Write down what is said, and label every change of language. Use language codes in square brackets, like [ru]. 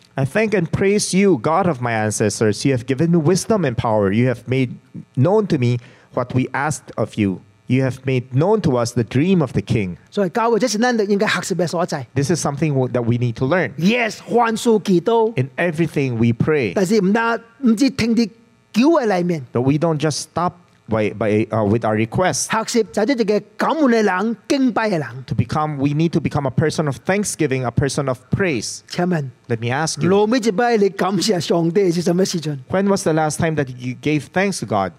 [en] I thank and praise you, God of my ancestors. You have given me wisdom and power. You have made known to me what we asked of you. You have made known to us the dream of the king. This is something that we need to learn. [zh] Yes, 凡事祈祷, [en] in everything we pray. [zh] 但是不只听的求的里面, [en] but we don't just stop with our requests. We need to become a person of thanksgiving, a person of praise. [zh] 请问, [en] let me ask you, when was the last time that you gave thanks to God?